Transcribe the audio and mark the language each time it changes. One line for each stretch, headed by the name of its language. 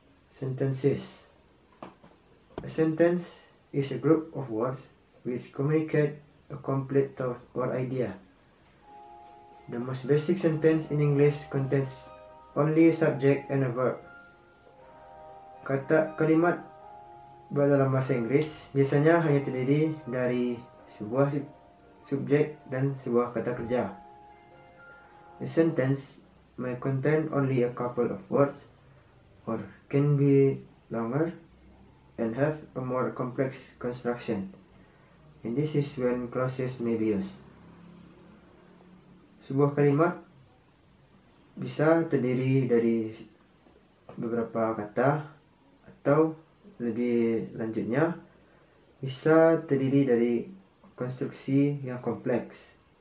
English: Sentences. A sentence is a group of words which communicate a complete thought or idea. The most basic sentence in English contains only a subject and a verb.
Indonesian: Kata kalimat dalam bahasa Inggris biasanya hanya terdiri dari sebuah subjek dan sebuah kata kerja.
English: A sentence may contain only a couple of words or can be longer and have a more complex construction. And this is when clauses may be used.
Indonesian: Sebuah kalimat bisa terdiri dari beberapa kata atau lebih lanjutnya bisa terdiri dari konstruksi yang kompleks.